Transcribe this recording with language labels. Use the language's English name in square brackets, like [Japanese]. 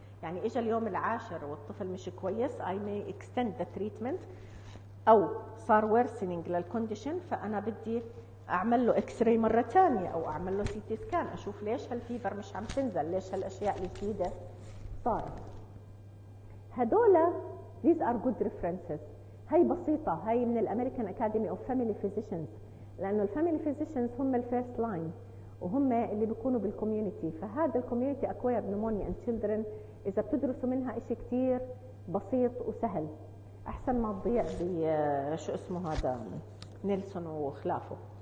[Arabic] يعني إجا اليوم العاشر والطفل مش كويس، [English] I may extend the treatment، [Arabic] أو صار worsening للcondition، فأنا بدي أعمل له X-ray مرة تانية أو أعمل له CT scan أشوف ليش هالفيفر مش عم تنزل، ليش هالأشياء اللي فيه صار. [English] هدول these are good references. [Arabic] هاي بسيطة، هاي من الأمريكان أكاديمي أوف فاميلي فيزيشنز، لانه الفاميلي فيزيشنز هم الفيرست لاين وهم اللي بيكونوا بالكوميونتي، فهذا الكوميونتي اكوير نمونيا ان تشيلدرن اذا بتدرسوا منها شيء كثير بسيط وسهل احسن ما تضيع بشو اسمه هذا نيلسون وخلافه.